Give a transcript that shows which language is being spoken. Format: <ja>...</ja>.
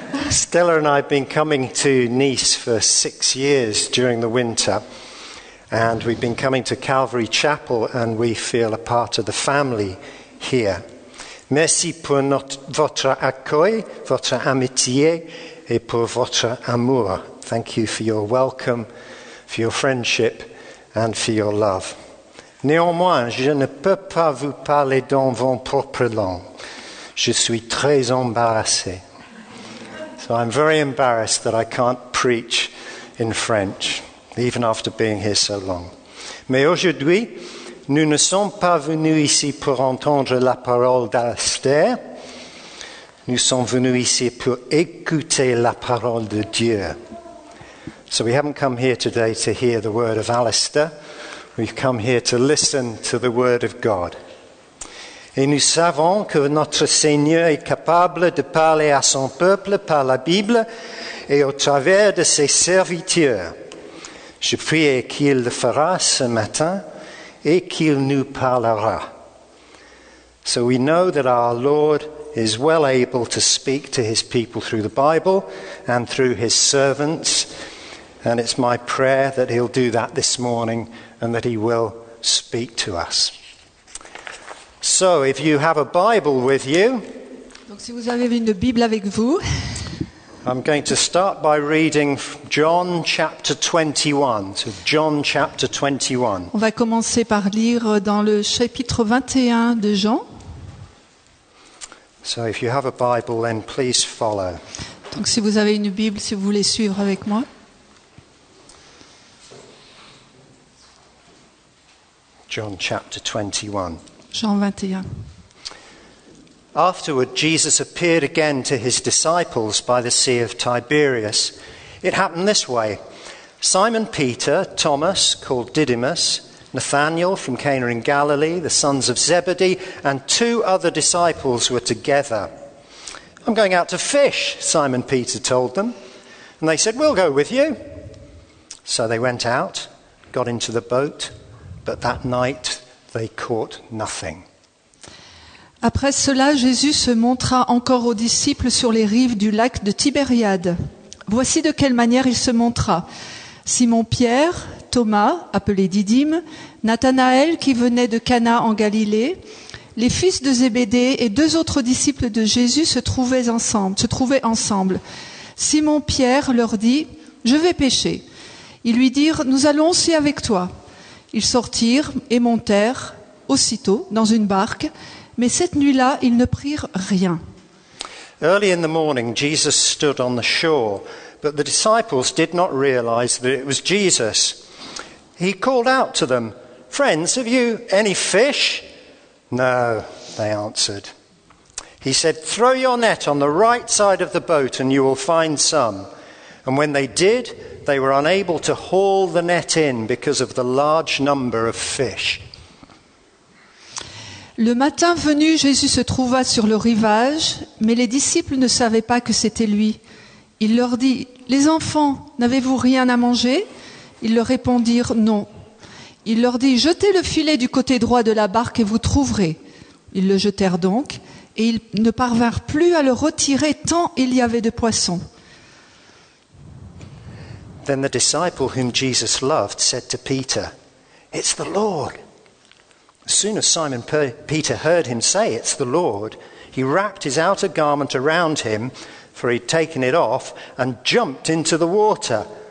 <en>Stella and I have been coming to Nice for 6 years during the winter, and we've been coming to Calvary Chapel, and we feel a part of the family here.</en> <fr>Merci pour votre accueil, votre amitié, et pour votre amour.</fr> <en>Thank you for your welcome, for your friendship, and for your love.</en> <fr>Néanmoins, je ne peux pas vous parler dans vos propres langues. Je suis très embarrassé.</fr> <en>So I'm very embarrassed that I can't preach in French, even after being here so long.</en> <fr>Mais aujourd'hui, nous ne sommes pas venus ici pour entendre la parole d'Alastair. Nous sommes venus ici pour écouter la parole de Dieu.</fr> <en>So we haven't come here today to hear the word of Alastair. We've come here to listen to the word of God.</en> <fr>Et nous savons que notre Seigneur est capable de parler à son peuple par la Bible et au travers de ses serviteurs. Je prie qu'il le fera ce matin et qu'il nous parlera.</fr> <en>So we know that our Lord is well able to speak to his people through the Bible and through his servants. And it's my prayer that he'll do that this morning and that he will speak to us. So, if you have a Bible with you,</en> <fr>donc si vous avez une Bible avec vous,</fr> <en>I'm going to start by reading John chapter 21. So, John chapter 21.</en> <fr>On va commencer par lire dans le chapitre 21 de Jean.</fr> <en>So, if you have a Bible, then please follow.</en> <fr>Donc si vous avez une Bible, si vous voulez suivre avec moi.</fr> <en>John chapter 21.</en> <fr>Jean 21.</fr> <en>Afterward, Jesus appeared again to his disciples by the Sea of Tiberias. It happened this way. Simon Peter, Thomas, called Didymus, Nathanael from Cana in Galilee, the sons of Zebedee, and 2 other disciples were together. I'm going out to fish, Simon Peter told them. And they said, we'll go with you. So they went out, got into the boat, but that night they caught nothing.</en> <fr>Après cela, Jésus se montra encore aux disciples sur les rives du lac de Tibériade. Voici de quelle manière il se montra. Simon Pierre, Thomas, appelé Didyme, Nathanaël qui venait de Cana en Galilée, les fils de Zébédée et 2 autres disciples de Jésus se trouvaient ensemble. Simon Pierre leur dit, « Je vais pêcher. » Ils lui dirent, « Nous allons aussi avec toi. » Ils sortirent et montèrent aussitôt dans une barque, mais cette nuit-là, ils ne prirent rien.</fr> <en>Early in the morning, Jesus stood on the shore, but the disciples did not realize that it was Jesus. He called out to them, "Friends, have you any fish?" "No," they answered. He said, "Throw your net on the right side of the boat and you will find some." And when they did, they were unable to haul the net in because of the large number of fish.</en> <fr>Le matin venu, Jésus se trouva sur le rivage, mais les disciples ne savaient pas que c'était lui. Il leur dit, « Les enfants, n'avez-vous rien à manger ?» Ils leur répondirent, « Non. » Il leur dit, « Jetez le filet du côté droit de la barque et vous trouverez. » Ils le jetèrent donc, et ils ne parvinrent plus à le retirer tant il y avait de poissons.</fr> <en>Then the disciple whom Jesus loved said to Peter, "It's the Lord." As soon as Simon Peter heard him say, "It's the Lord," he wrapped his outer garment around him, for he'd taken it off, and jumped into the water.</en>